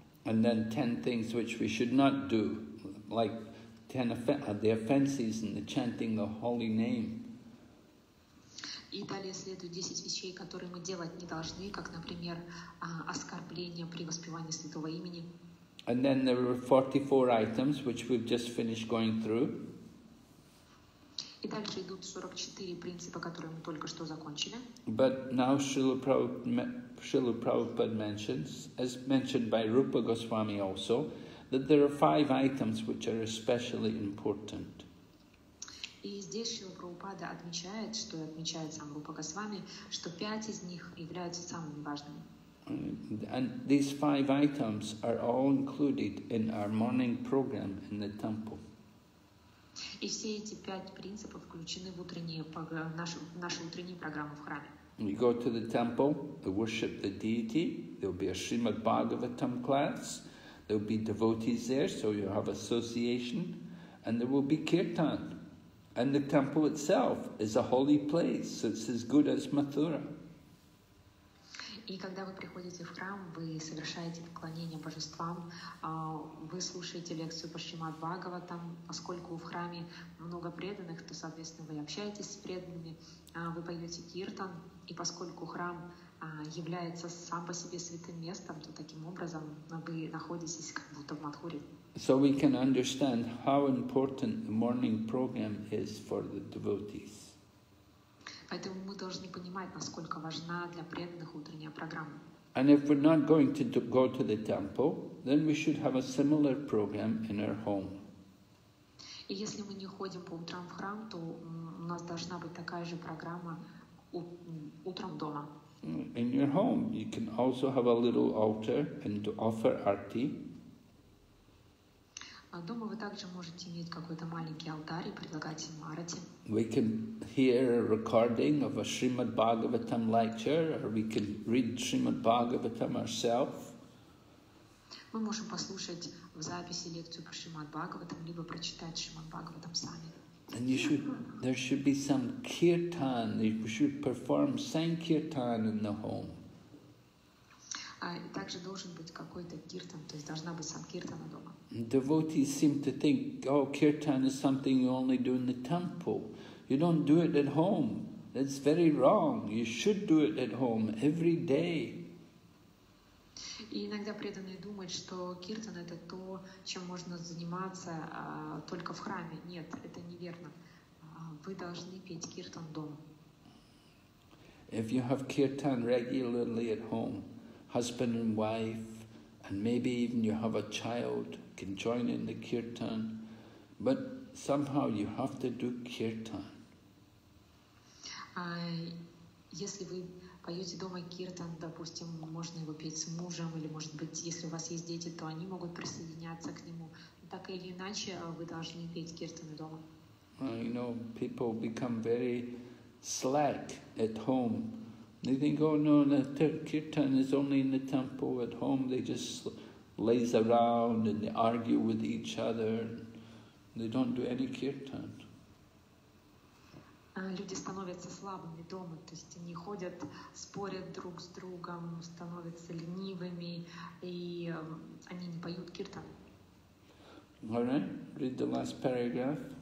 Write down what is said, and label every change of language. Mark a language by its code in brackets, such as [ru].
[en] And then 10 things which we should not do, like 10 the offenses in the chanting the holy name. [ru] И далее следует 10 вещей, которые мы делать не должны, как, например, оскорбление при воспевании святого имени. [en] And then there were 44 items, which we've just finished going through. [ru] И дальше идут 44 принципа, которые мы только что закончили. [en] But now Srila Prabhupada mentions, as mentioned by Rupa Goswami also, that there are 5 items which are especially important. [ru] И здесь Шрила Прабхупада отмечает, что отмечает сам Рупа Госвами, что 5 из них являются самыми важными. [en] And these 5 items are all included in our morning program in the temple. [ru] И все эти 5 принципов включены в утренние нашу утреннюю программу в храме. [en] We go to the temple, they worship the deity, there'll be a Srimad Bhagavatam class, there'll be devotees there, so you have association, and there will be kirtan. And the temple itself is a holy place, so it's as good as Mathura. [ru] И когда вы приходите в храм, вы совершаете поклонение божествам, вы слушаете лекцию по Шримад Бхагаватам, поскольку в храме много преданных, то, соответственно, вы общаетесь с преданными, вы поете киртан, и поскольку храм является сам по себе святым местом, то таким образом вы находитесь как будто в Мадхуре. [en] So we can understand how important the morning program is for the devotees. [ru] Поэтому мы должны понимать, насколько важна для преданных утренняя программа. [en] And if we're not going to go to the temple, then we should have a similar program in our home. [ru] И если мы не ходим по утрам в храм, то у нас должна быть такая же программа утром дома. [en] In your home, you can also have a little altar and to offer arti. [ru] Дома вы также можете иметь какой-то маленький алтарь и предлагать им арати. [en] We can hear a recording of a Srimad Bhagavatam lecture, or we can read Srimad Bhagavatam ourselves. [ru] Мы можем послушать в записи лекцию по Шримад Бхагаватам, либо прочитать Шримад Бхагаватам сами. [en] And there should be some kirtan, you should perform sankirtan in the home. [ru] Также должен быть какой-то киртан, то есть должна быть санкиртана дома. [en] Devotees seem to think, oh, kirtan is something you only do in the temple. You don't do it at home. That's very wrong. You should do it at home every day. [ru] И иногда преданные думают, что киртан — это то, чем можно заниматься только в храме. Нет, это неверно. Вы должны петь киртан дома. [en] If you have kirtan regularly at home, husband and wife, and maybe even you have a child, can join in the kirtan, but somehow you have to do kirtan. [ru] Если вы поете дома киртан, допустим, можно его петь с мужем, или, может быть, если у вас есть дети, то они могут присоединяться к нему. Так или иначе, вы должны петь киртан дома. [en] You know, people become very slack at home. They think, oh no, the kirtan is only in the temple. At home, they just laze around and they argue with each other. They don't do any kirtan. [ru] Люди становятся слабыми дома, то есть они ходят, спорят друг с другом, становятся ленивыми, и они не поют киртан. [en] All right, read the last paragraph.